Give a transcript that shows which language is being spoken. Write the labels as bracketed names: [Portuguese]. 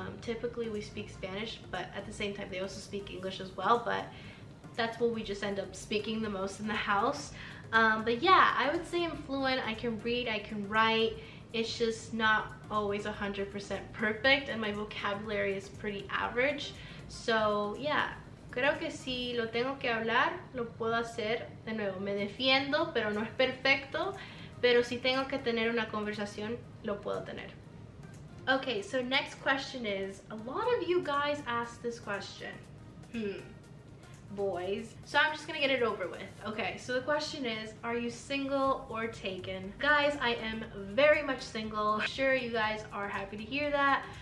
[English] Typically we speak Spanish, but at the same time they also speak English as well, but that's what we just end up speaking the most in the house. But yeah, I would say I'm fluent, I can read, I can write. It's just not always 100% perfect, and my vocabulary is pretty average. So yeah, [Spanish] creo que si lo tengo que hablar, lo puedo hacer. De nuevo, me defiendo, pero no es perfecto. Pero si tengo que tener una conversación, lo puedo tener. [English] Okay, so next question is, a lot of you guys asked this question. Boys. So I'm just gonna get it over with. Okay, so the question is, are you single or taken? Guys, I am very much single. Sure, you guys are happy to hear that.